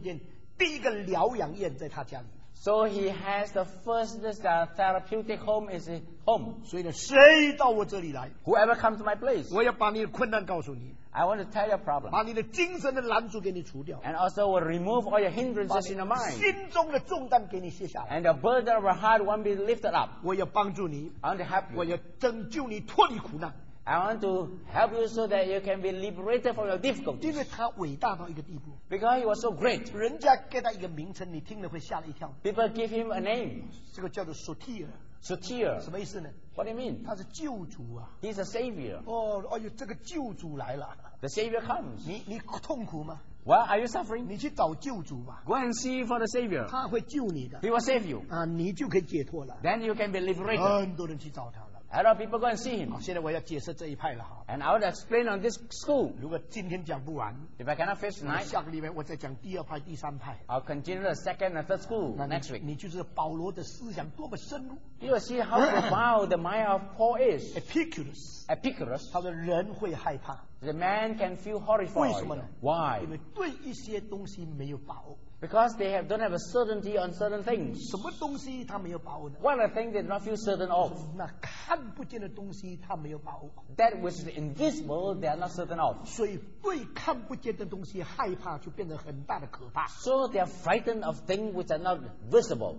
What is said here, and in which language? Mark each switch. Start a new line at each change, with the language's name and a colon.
Chinese: 所以他就做了人类历史中间第一个疗养院在他家里。
English: So he has the first therapeutic home is his home.
Chinese: 所以呢,谁到我这里来?
English: Whoever comes to my place,
Chinese: 我要把你的困难告诉你。
English: I want to tell you a problem.
Chinese: 把你的精神的拦阻给你除掉。
English: And also will remove all your hindrances in your mind.
Chinese: 心中的重担给你卸下来。
English: And the burden of your heart won't be lifted up.
Chinese: 我要帮助你。
English: I want to help you.
Chinese: 我要拯救你脱离苦难。
English: I want to help you so that you can be liberated from your difficulties.
Chinese: 因为他伟大到一个地步,
English: because he was so great.
Chinese: 人家给他一个名称, 你听了会吓了一跳。
English: People give him a name.
Chinese: 这个叫做 Sotir.
English: Sotir.
Chinese: 什么意思呢?
English: What do you mean?
Chinese: 他是救主啊。
English: He's a savior.
Chinese: 哦,哎呦,这个救主来了。
English: The savior comes.
Chinese: 你痛苦吗?
English: Well, are you suffering?
Chinese: 你去找救主吧。
English: Go and see for the savior.
Chinese: 他会救你的。
English: He will save you.
Chinese: 你就可以解脱了。
English: Then you can be liberated.
Chinese: 很多人去找他。
English: A lot of people go and see him.
Chinese: 现在我要解释这一派了。
English: And I will explain on this school.
Chinese: 如果今天讲不完,
English: if I cannot finish tonight,
Chinese: 下个礼拜我再讲第二派第三派。
English: I'll continue the second and third school next week.
Chinese: 你就是保罗的思想多么深入。
English: You will see how profound the mind of Paul is. Epicurus. Epicurus.
Chinese: 他说人会害怕。
English: The man can feel horrified.
Chinese: 为什么呢?
English: Why?
Chinese: 因为对一些东西没有把握。
English: Because they have, don't have a certainty on certain things.
Chinese: 什么东西他没有把握呢?
English: What are things they do not feel certain of?
Chinese: 那看不见的东西他没有把握。
English: That which is invisible, they are not certain of.
Chinese: 所以对看不见的东西害怕就变成很大的可怕。
English: So they are frightened of things which are not visible.